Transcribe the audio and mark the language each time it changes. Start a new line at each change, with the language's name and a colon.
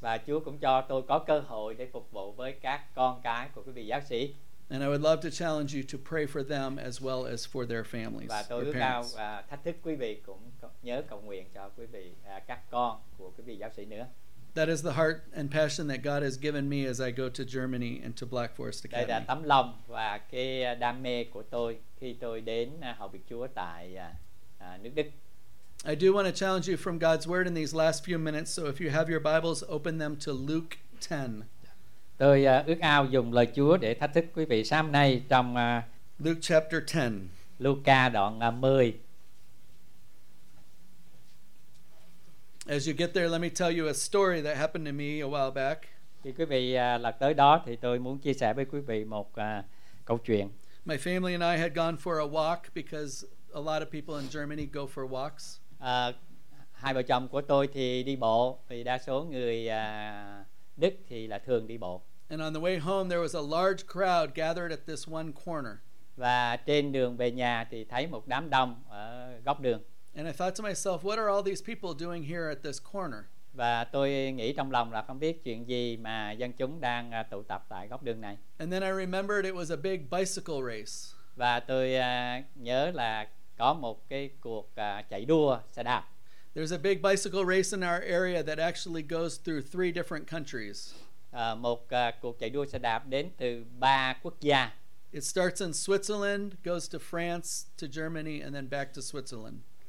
Vietnamese: Và Chúa cũng cho tôi có cơ hội để phục vụ với các con cái của quý vị giáo sĩ.
English: And I would love to challenge you to pray for them as well as for their families.
Vietnamese: Và tôi ước ao thách thức quý vị cũng nhớ cầu nguyện cho quý vị các con của quý vị giáo sĩ nữa.
English: That is the heart and passion that God has given me as I go to Germany and to Black Forest Academy.
Vietnamese: Đây là tấm lòng và cái đam mê của tôi khi tôi đến hầu việc Chúa tại nước Đức.
English: I do want to challenge you from God's word in these last few minutes. So if you have your Bibles, open them to Luke 10.
Vietnamese: Tôi ước ao dùng lời Chúa để thách thức quý vị sáng hôm nay trong
English: Luke chapter 10.
Vietnamese: Luca đoạn 10.
English: As you get there, let me tell you a story that happened to me a while back.
Vietnamese: Khi quý vị lật tới đó thì tôi muốn chia sẻ với quý vị một câu chuyện.
English: My family and I had gone for a walk because a lot of people in Germany go for walks.
Vietnamese: Hai vợ chồng của tôi thì đi bộ vì đa số người Đức thì là thường đi bộ.
English: And on the way home there was a large crowd gathered at this one corner.
Vietnamese: Và trên đường về nhà thì thấy một đám đông ở góc đường.
English: And I thought to myself, what are all these people doing here at this corner?
Vietnamese: Và tôi nghĩ trong lòng là không biết chuyện gì mà dân chúng đang tụ tập tại góc đường này.
English: And then I remembered it was a big bicycle race.
Vietnamese: Và tôi nhớ là có một cái cuộc chạy đua xe đạp.
English: There's a big bicycle race in our area that actually goes through three different countries.
Vietnamese: Cuộc chạy đua xe đạp đến từ ba quốc gia.
English: It starts in Switzerland, goes to France, to Germany, and then back to Switzerland.